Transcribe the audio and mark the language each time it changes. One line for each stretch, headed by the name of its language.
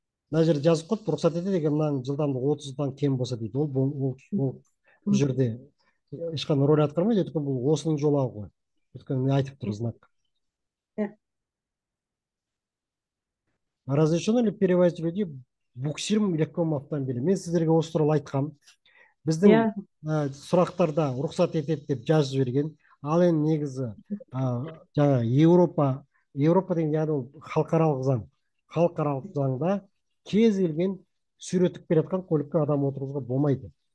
Kazakh: Мына жерде жазып қойды, рұқсат етеді егер мынаның жылдамдығы 30-дан кем болса дейді. Ол бұл жерде ешқандай рөл атқармайды, өйткені бұл осының жолағы ғой. Өйткені мен айтып тұр знак.
Russian: Разрешено ли перевозить людей буксиром легковым автомобилем?
Kazakh: Мен сіздерге осы туралы айтқам. Біздің сұрақтарда рұқсат етеді деп жазып жіберген, ал енді негізі жаңағы Еуропа деген, яғни ол халықаралық заң. Халықаралық заңда кез келген сүйретіп келе жатқан көлікке адам отыруға болмайды.